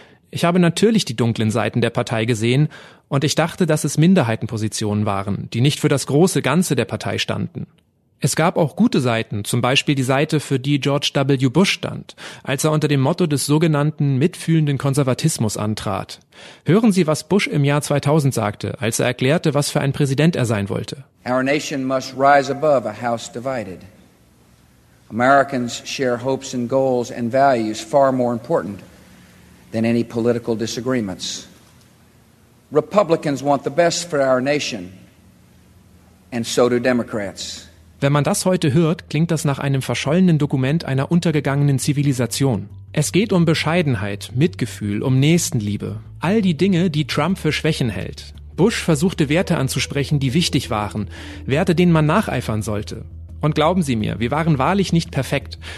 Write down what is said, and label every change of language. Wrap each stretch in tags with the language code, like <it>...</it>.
<de>Ich habe natürlich die dunklen Seiten der Partei gesehen und ich dachte, dass es Minderheitenpositionen waren, die nicht für das große Ganze der Partei standen. Es gab auch gute Seiten, zum Beispiel die Seite, für die George W. Bush stand, als er unter dem Motto des sogenannten mitfühlenden Konservatismus antrat. Hören Sie, was Bush im Jahr 2000 sagte, als er erklärte, was für ein Präsident er sein wollte.</de> <en>Our nation must rise above a house divided. Americans share hopes and goals and values far more important than any political disagreements. Republicans want the best for our nation, and so do Democrats.</en> <de>Wenn man das heute hört, klingt das nach einem verschollenen Dokument einer untergegangenen Zivilisation. Es geht um Bescheidenheit, Mitgefühl, um Nächstenliebe. All die Dinge, die Trump für Schwächen hält. Bush versuchte Werte anzusprechen, die wichtig waren. Werte, denen man nacheifern sollte. Und glauben Sie mir, wir waren wahrlich nicht perfekt.</de>